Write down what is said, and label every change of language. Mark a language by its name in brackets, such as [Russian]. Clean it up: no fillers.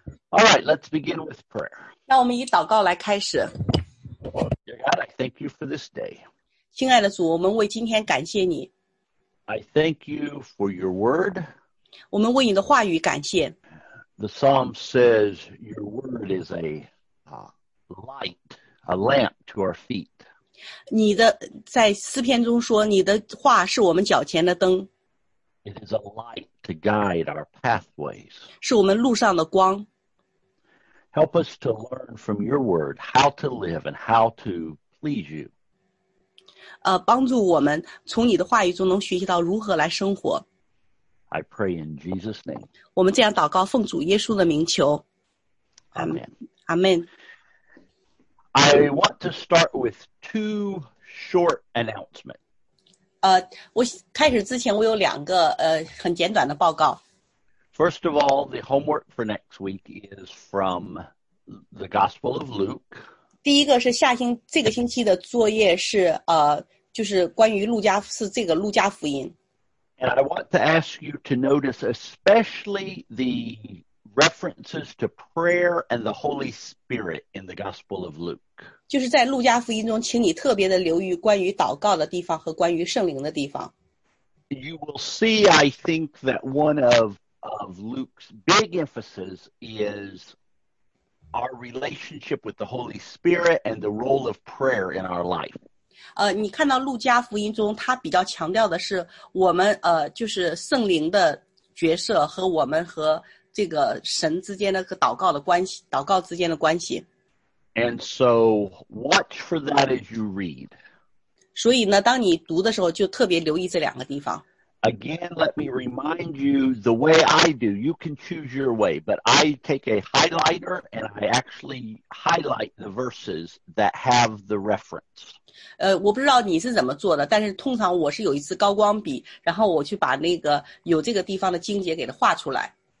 [English] All right, let's begin with prayer. [Chinese] 让我们以祷告来开始。 [English] Dear God, I thank you for this day. [Chinese] 亲爱的主，我们为今天感谢你。 [English] I thank you for your word. [Chinese] 我们为你的话语感谢。 [English] The psalm says your word is a light, a lamp to our feet. [Chinese] 你的在诗篇中说，你的话是我们脚前的灯。 [English] It is a light to guide our pathways. [Chinese] 是我们路上的光。 [English] Help us to learn from your word how to live and how to please you. [Chinese] 帮助我们从你的话语中能学习到如何来生活。 [English] I pray in Jesus' name. [Chinese] 我们这样祷告，奉主耶稣的名求。 [English] Amen. Amen. I want to start with two short announcements. [Chinese] 我开始之前我有两个很简短的报告。 [English] First of all, the homework for next week is from the Gospel of Luke. [Chinese] 第一个是下星这个星期的作业是就是关于路加是这个路加福音。 [English] And I want to ask you to notice especially the references to prayer and the Holy Spirit in the Gospel of Luke. [Chinese] 就是在路加福音中，请你特别的留意关于祷告的地方和关于圣灵的地方。 [English] You will see, I think, that one of Luke's big emphasis is our relationship with the Holy Spirit and the role of prayer in our life. [Chinese] 你看到路加福音中，他比较强调的是我们就是圣灵的角色和我们和这个神之间的祷告的关系，祷告之间的关系。 [English] And so watch for that as you read. [Chinese] 所以呢，当你读的时候，就特别留意这两个地方。 [English] Again, let me remind you the way I do. You can choose your way, but I take a highlighter and I actually highlight the verses that have the reference. [Chinese] 我不知道你是怎么做的，但是通常我是有一支高光笔，然后我去把那个有这个地方的经节给它画出来。